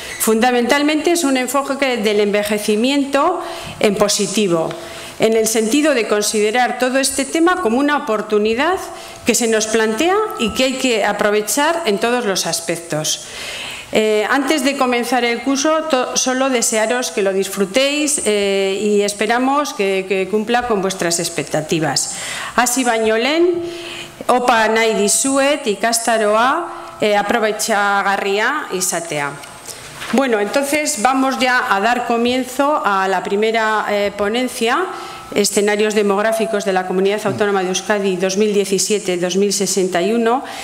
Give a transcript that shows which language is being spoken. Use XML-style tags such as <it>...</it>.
<es>Fundamentalmente es un enfoque del envejecimiento en positivo, en el sentido de considerar todo este tema como una oportunidad que se nos plantea y que hay que aprovechar en todos los aspectos. Antes de comenzar el curso, solo desearos que lo disfrutéis y esperamos que cumpla con vuestras expectativas.</es> <eu>Hasi baino lehen, opa nahi dizuet ikastaroa aprobetxagarria izatea.</eu> <es>Bueno, entonces vamos ya a dar comienzo a la primera ponencia, Escenarios demográficos de la Comunidad Autónoma de Euskadi 2017-2061.</es>